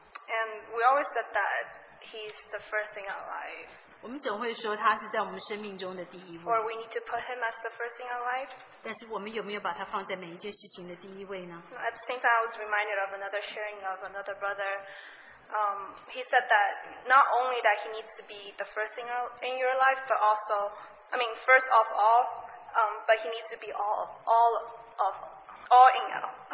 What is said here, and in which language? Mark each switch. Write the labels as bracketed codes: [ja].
[en] And we always said that he's the first thing in our life. [zh] 我们总会说他是在我们生命中的第一位。 [en] Or we need to put him as the first thing in our life. [zh] 但是我们有没有把他放在每一件事情的第一位呢？ [en] At the same time, I was reminded of another sharing of another brother. He said that not only that he needs to be the first thing in your life, but also, I mean, first of all. But he needs to be all in all.